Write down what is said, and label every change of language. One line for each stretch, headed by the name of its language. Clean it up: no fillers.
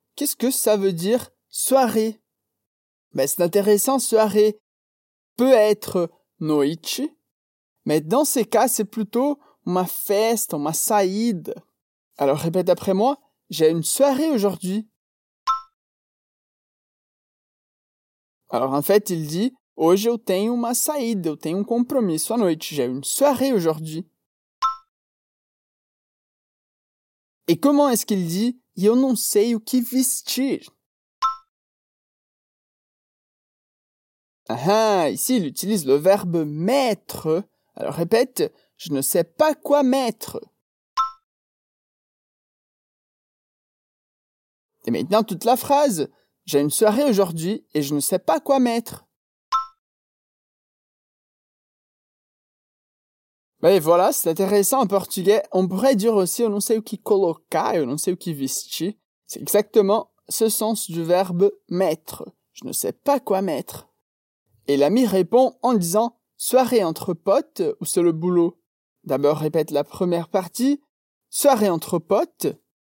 French: Qu'est-ce que ça veut dire « soirée » ? Ben, c'est intéressant, soirée peut être noichi, mais dans ces cas, c'est plutôt ma feste, ma saïd. Alors répète après moi, j'ai une soirée aujourd'hui. Alors en fait, il dit,
Portuguese: hoje eu tenho uma saída, eu tenho um compromisso à noite,
French: j'ai une soirée aujourd'hui. Et comment est-ce qu'il dit,
Portuguese: eu não sei o que vestir?
French: Ah, ici, il utilise le verbe « mettre ». Alors, répète, « je ne sais pas quoi mettre ». Et maintenant, toute la phrase, « j'ai une soirée aujourd'hui et je ne sais pas quoi mettre ». Et voilà, c'est intéressant en portugais. On pourrait dire aussi
Portuguese: « eu não sei o que colocar », »,« eu não sei o que vestir ».
French: C'est exactement ce sens du verbe « mettre ».« Je ne sais pas quoi mettre ». Et l'ami répond en disant « soirée entre potes ou c'est le boulot ?» D'abord répète la première partie « soirée entre potes ».